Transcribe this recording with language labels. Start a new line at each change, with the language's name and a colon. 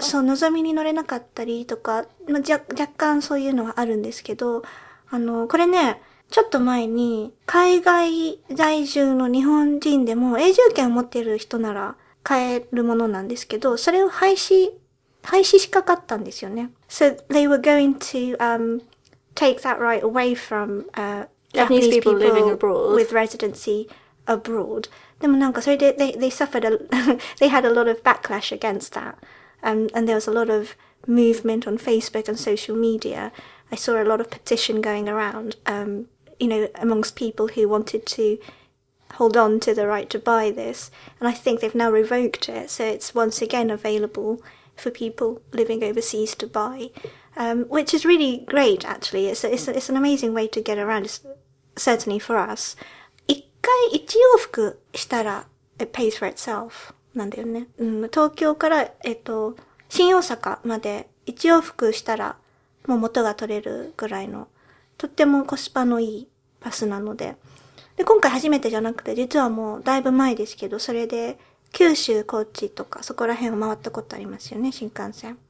Japanese: そうのぞみに乗れなかったりとか、まあ、若干そういうのはあるんですけど、あのこれねちょっと前に海外在住の日本人でも永住権を持っている人なら買えるものなんですけど、それを廃止しかかったんですよね。
English: So they were going to take that right away from Japanese people living abroad with residency abroad.
Japanese: でもなんかそれで
English: they suffered a they had a lot of backlash against that. And there was a lot of movement on Facebook and social media. I saw a lot of petition going around you know amongst people who wanted to hold on to the right to buy this. And I think they've now revoked it. So it's once again available for people living overseas to buy. Which is really great, actually. It's an amazing way to get around, certainly for us.
Japanese: 一回一往復したら
English: it pays for itself.
Japanese: なんだよね。うん、東京から新大阪まで一往復したらもう元が取れるぐらいのとってもコスパのいいパスなので。で、今回初めてじゃなくて、実はもうだいぶ前ですけど、それで九州、高知とかそこら辺を回ったことありますよね、新幹線。